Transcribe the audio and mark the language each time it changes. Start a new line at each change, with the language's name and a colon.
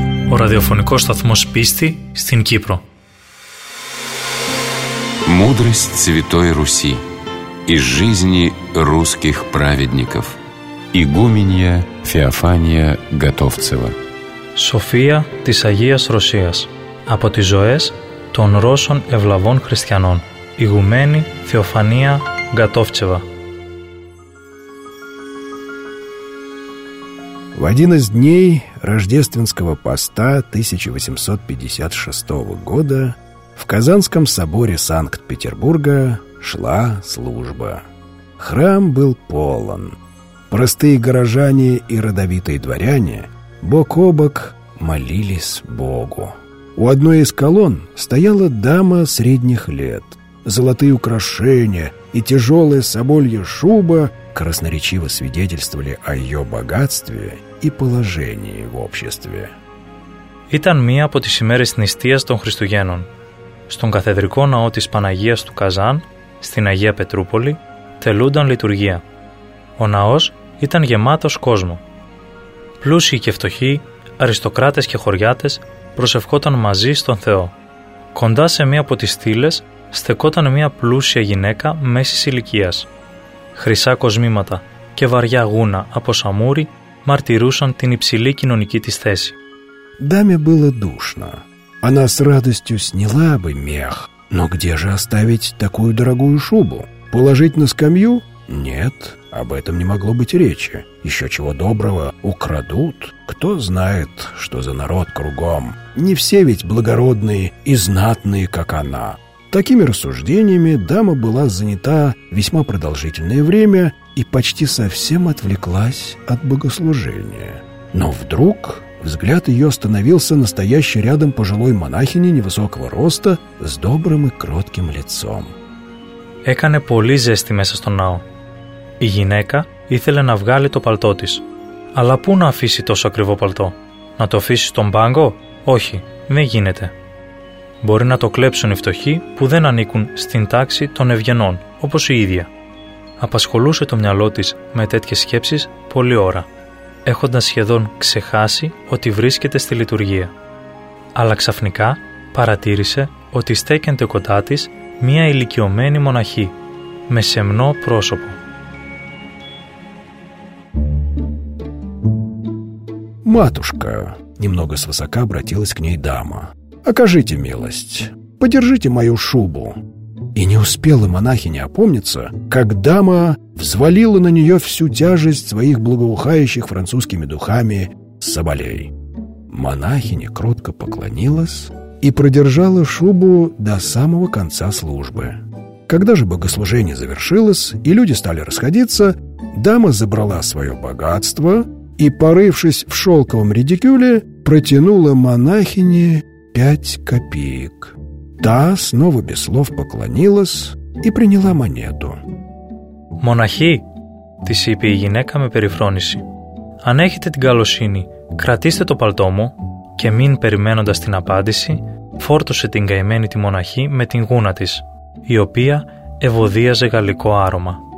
Greek: Ο ραδιοφωνικός σταθμός πίστη στην Κύπρο.
Russian: Мудрость Святой Руси из жизни русских праведников. Игуменья Феофания Готовцева.
Greek: Σοφία της Αγίας Ρωσίας από τις ζωές των Ρώσων ευλαβών χριστιανών. Ηγουμένη Θεοφανία Γκατόφτσεβα.
Russian: В один из дней Рождественского поста 1856 года в Казанском соборе Санкт-Петербурга шла служба. Храм был полон. Простые горожане и родовитые дворяне бок о бок молились Богу. У одной из колонн стояла дама средних лет. Золотые украшения и тяжелая соболья шуба красноречиво свидетельствовали о ее богатстве и положении в обществе.
Greek: Ήταν μία από τις ημέρες νηστείας των Χριστουγέννων. Στον καθεδρικό ναό της Παναγίας του Καζάν, στην Αγία Πετρούπολη, τελούνταν λειτουργία. Ο ναός ήταν γεμάτος κόσμο. Πλούσιοι και φτωχοί, αριστοκράτες και χωριάτες προσευχόταν μαζί στον Θεό. Κοντά σε μία από τις στήλες στεκόταν μία πλούσια γυναίκα μέσης ηλικίας. Χρυσά κοσμήματα και βαριά γούνα από σαμούρι μαρτυρούσαν την υψηλή κοινωνική της θέση.
Russian: Даме было душно. Она с радостью сняла бы мех. Но где же оставить такую дорогую шубу? Положить на скамью? Нет, об этом не могло быть речи. Еще чего доброго, украдут. Кто знает, что за народ кругом. Не все ведь благородные и знатные, как она. Такими рассуждениями дама была занята весьма продолжительное время и почти совсем отвлеклась от богослужения. Но вдруг взгляд ее остановился на стоящей рядом пожилой монахини невысокого роста с добрым и кротким лицом.
Greek: Έκανε πολύ ζέστη μέσα στον ναό. Η γυναίκα ήθελε να βγάλει το παλτό της. Αλλά πού να αφήσει τόσο ακριβό παλτό? Να το αφήσει στον πάγκο? Όχι, δεν γίνεται. Μπορεί να το κλέψουν οι φτωχοί που δεν ανήκουν στην τάξη των ευγενών, όπως η ίδια. Απασχολούσε το μυαλό της με τέτοιες σκέψεις πολλή ώρα, έχοντας σχεδόν ξεχάσει ότι βρίσκεται στη λειτουργία. Αλλά ξαφνικά παρατήρησε ότι στέκεται κοντά της μία ηλικιωμένη μοναχή, με σεμνό πρόσωπο.
Russian: «Матушка», — немного свысока обратилась к ней дама, — «окажите милость, подержите мою шубу». И не успела монахиня опомниться, как дама взвалила на нее всю тяжесть своих благоухающих французскими духами соболей. Монахиня кротко поклонилась и продержала шубу до самого конца службы. Когда же богослужение завершилось и люди стали расходиться, дама забрала свое богатство и, порывшись в шелковом редикюле, протянула монахине 5 копеек. Та снова без слов поклонилась и приняла монету. «Монахи»,
Greek: της είπε η γυναίκα με περιφρόνηση, «αν έχετε την καλοσύνη, κρατήστε το παλτό μου», και μην περιμένοντας την απάντηση, φόρτωσε την καημένη τη μοναχή με την γούνα της, η οποία ευωδίαζε γαλλικό άρωμα.